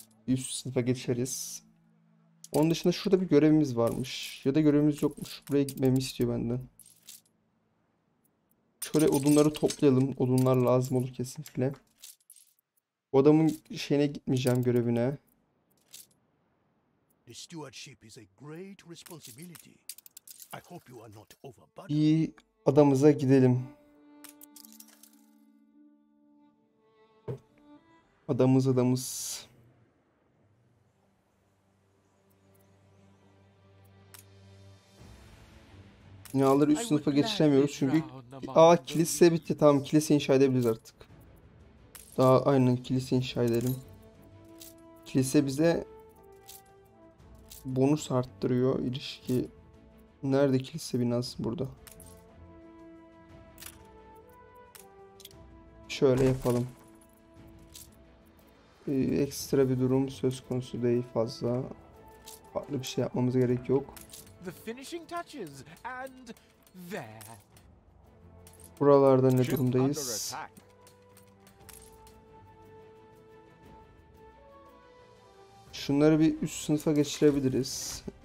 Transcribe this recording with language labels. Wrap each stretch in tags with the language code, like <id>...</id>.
<tr>Üst sınıfa geçeriz. Onun dışında şurada bir görevimiz varmış. Ya da görevimiz yokmuş. Buraya gitmemi istiyor benden. Şöyle odunları toplayalım. Odunlar lazım olur kesinlikle. O adamın şeyine gitmeyeceğim, görevine.</tr> <en>The stewardship is a great responsibility. I hope you are not overburdened.</en> <tr>Bir adamıza gidelim. Adamız. Binaları üst sınıfa geçiremiyoruz çünkü kilise bitti. Tamam, kilise inşa edebiliriz artık. Daha aynen, kilise inşa edelim. Kilise bize bonus arttırıyor ilişki. Nerede kilise binası? Burada. Şöyle yapalım. Ekstra bir durum söz konusu değil fazla. Farklı bir şey yapmamız gerek yok.</tr> <en>The finishing touches and there.</en> <tr>Buralarda ne durumdayız? Şunları bir üst sınıfa geçirebiliriz.</tr>